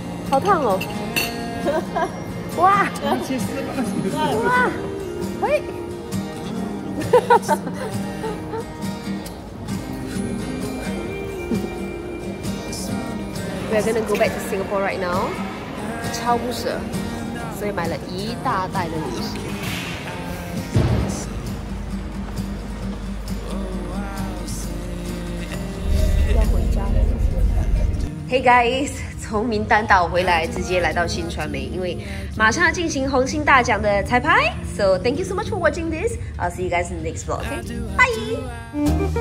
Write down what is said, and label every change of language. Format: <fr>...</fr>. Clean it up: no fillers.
<zh>好烫哦！哇！哇！喂！</zh> <en>We're gonna go back to Singapore right now.</en> <zh>超不舍，所以买了一大袋的零食。要回家了。</zh> <en>Hey guys，</en> <zh>从民丹岛回来，直接来到新传媒，因为马上要进行红星大奖的彩排。</zh> <en>So thank you so much for watching this. I'll see you guys in the next vlog. Okay, bye.</en>